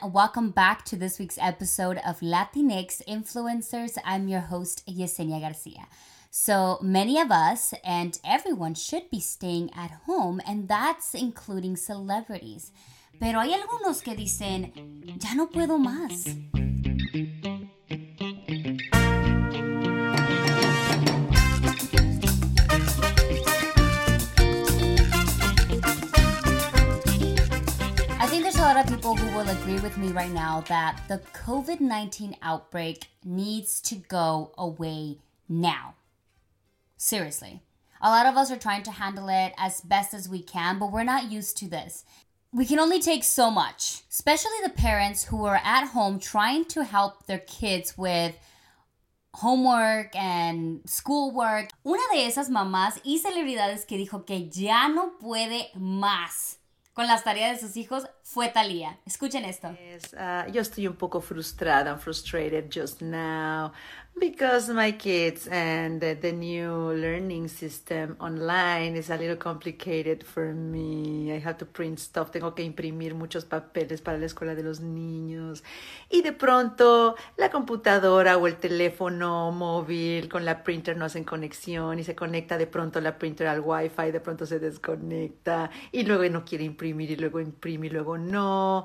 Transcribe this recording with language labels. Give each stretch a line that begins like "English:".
English: Welcome back to this week's episode of Latinx Influencers. I'm your host, Yesenia Garcia. So many of us and everyone should be staying at home, and that's including celebrities.
Spanish: Pero hay algunos que dicen, ya no puedo más.
English: A lot of people who will agree with me right now that the COVID-19 outbreak needs to go away now. Seriously. A lot of us are trying to handle it as best as we can, but we're not used to this. We can only take so much, especially the parents who are at home trying to help their kids with homework and schoolwork.
Spanish: Una de esas mamás y celebridades que dijo que ya no puede más con las tareas de sus hijos fue Thalía. Escuchen esto.
English: Yes,
Spanish: yo estoy un poco frustrada,
English: I'm frustrated just now because my kids and the new learning system online is a little complicated for me. I have to print stuff,
Spanish: tengo que imprimir muchos papeles para la escuela de los niños. Y de pronto la computadora o el teléfono móvil con la printer no hacen conexión y se conecta de pronto la printer al Wi-Fi, de pronto se desconecta y luego no quiere imprimir y luego imprime y luego no.